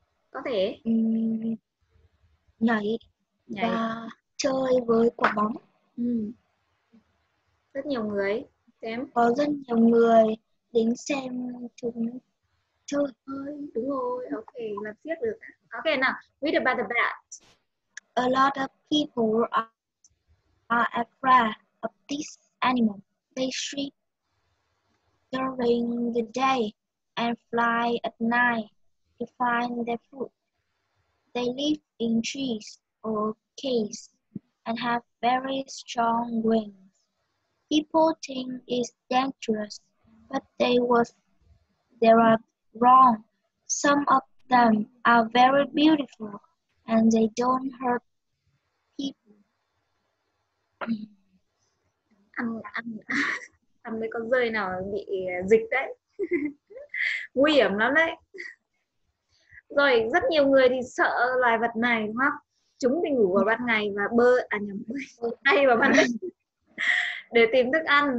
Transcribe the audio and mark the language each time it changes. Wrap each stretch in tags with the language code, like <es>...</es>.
<vi>Có thể nhảy và chơi với quả bóng. Rất nhiều người xem. Có rất nhiều người đến xem chúng chơi. Ơi, đúng rồi. Ok, là tiếp được. Ok nào,</vi> <en>read about the bat. A lot of people are afraid of this animal. They shriek during the day and fly at night to find their food. They live in trees or caves and have very strong wings. People think it's dangerous, but they are wrong. Some of them are very beautiful and they don't hurt people.</en> <vi>Ăn mấy con rơi nào bị dịch đấy. Nguy hiểm lắm đấy. Rồi, rất nhiều người thì sợ loài vật này, đúng không? Chúng thì ngủ vào ban ngày và bơi hay vào ban đêm để tìm thức ăn.</vi>